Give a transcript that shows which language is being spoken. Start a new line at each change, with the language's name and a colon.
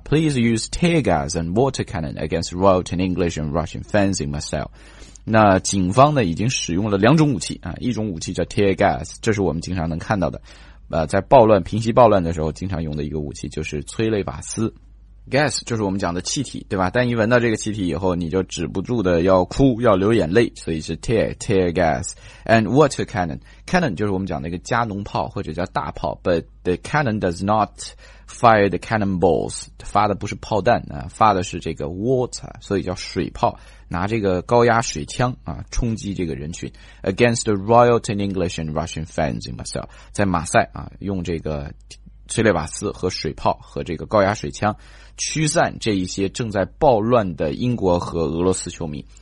English: Please use tear gas and water cannon against rioting English and Russian fans in Marseille.
Chinese: 那警方呢已经使用了两种武器啊，一种武器叫 tear gas, 这是我们经常能看到的。在暴乱平息暴乱的时候经常用的一个武器就是催泪瓦斯。 Gas 就是我们讲的气体，对吧？但一闻到这个气体以后你就止不住的要哭要流眼泪，所以是 tear gas.
English: And water cannon.
Chinese: Cannon 就是我们讲的一个加农炮或者叫大炮，
English: but the cannon does not fire the cannonballs.
Chinese: 发的不是炮弹啊，发的是这个 water, 所以叫水炮，拿这个高压水枪啊冲击这个人群。
English: Against the rioting English and Russian fans in Marseille.
Chinese: 在马赛啊用这个催泪瓦斯和水炮和这个高压水枪驱散这一些正在暴乱的英国和俄罗斯球迷。